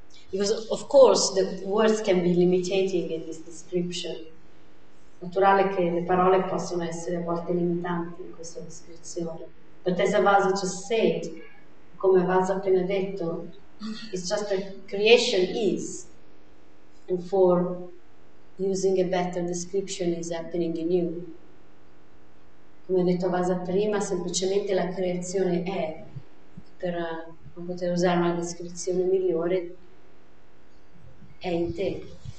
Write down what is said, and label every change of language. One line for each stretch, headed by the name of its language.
English: Because of course the words can be limiting in this description.
Italian: Naturale che le parole possono essere a volte limitanti in questa descrizione.
English: But as Avasa just said,
Italian: come Avasa appena detto,
English: it's just a creation is, and for using a better description, is happening in you.
Italian: Come ha detto Avasa prima, semplicemente la creazione è, per non potevo usare una descrizione migliore, è in te.